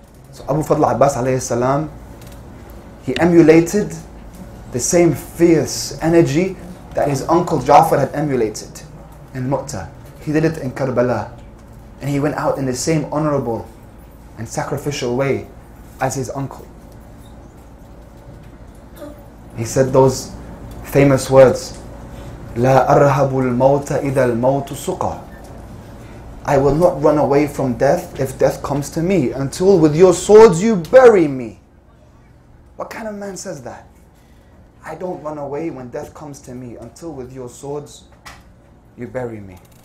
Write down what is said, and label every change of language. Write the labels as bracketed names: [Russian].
[English] So Abu Fadl Abbas alayhi salam, he emulated the same fierce energy that his uncle Ja'far had emulated in Mu'ta. He did it in Karbala. And he went out in the same honorable and sacrificial way as his uncle. He said those famous words, [Arabic] لا أرهب الموت إذا الموت سقى. [English] I will not run away from death if death comes to me, until with your swords you bury me. What kind of man says that? I don't run away when death comes to me, until with your swords you bury me.